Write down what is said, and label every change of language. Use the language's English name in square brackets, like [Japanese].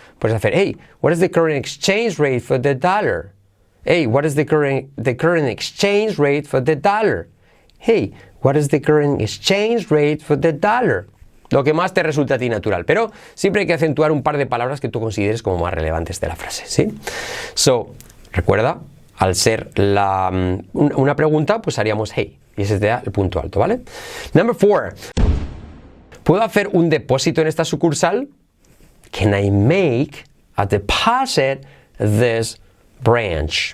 [Spanish] Puedes hacer, [English] hey, what is the current exchange rate for the dollar? Hey, what is the current exchange rate for the dollar? Hey, what is the current exchange rate for the dollar? [Spanish] Lo que más te resulta a ti natural, pero siempre hay que acentuar un par de palabras que tú consideres como más relevantes de la frase, ¿sí? So, recuerda, al ser una pregunta, pues haríamos hey, y ese sería el punto alto, ¿vale? [English] Number four. [Spanish] ¿Puedo hacer un depósito en esta sucursal? [English] Can I make a deposit this branch?